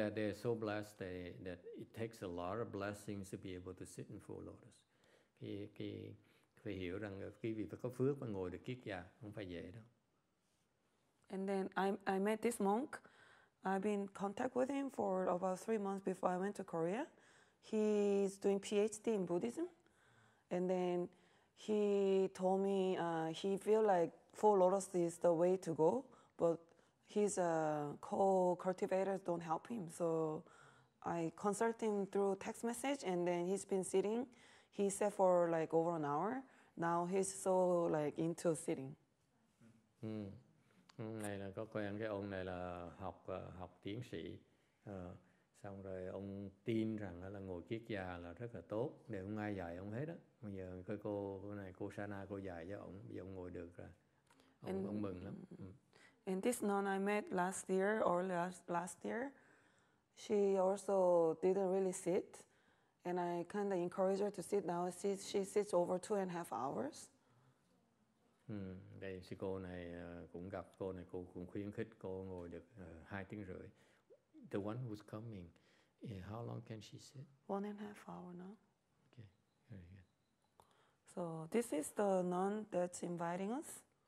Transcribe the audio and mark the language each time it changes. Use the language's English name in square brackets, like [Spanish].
[English] that they're so blessed that it takes a lot of blessings to be able to sit in full lotus. [Vietnamese] Phải hiểu rằng quý vị phải có phước mà ngồi được kiết già, không phải dễ đâu. [English] And then I met this monk. I've been in contact with him for about 3 months before I went to Korea. He's doing PhD in Buddhism. And then he told me he feel like full lotus is the way to go, but his co-cultivators don't help him. So I consulted him through text message, and then he's been sitting. He sat for like over 1 hour. Now he's so like into sitting. Mm. [Vietnamese] Này là có quen cái ông này là học học tiến sĩ xong rồi ông tin rằng là ngồi kiết già là rất là tốt để không ai dạy ông hết á. Bây giờ cô Sana cô dạy cho ông, bây giờ ông ngồi được rồi, ông mừng lắm. [English] And this nun I met last year, she also didn't really sit, and I kind of encourage her to sit. Now she sits over 2.5 hours. [Vietnamese] Đây sư cô này cũng gặp cô này, cô cũng khuyến khích cô ngồi được 2.5 tiếng. [English] The one who's coming, how long can she sit? 1.5 hours now. Okay, very good. So this is the nun that's inviting us.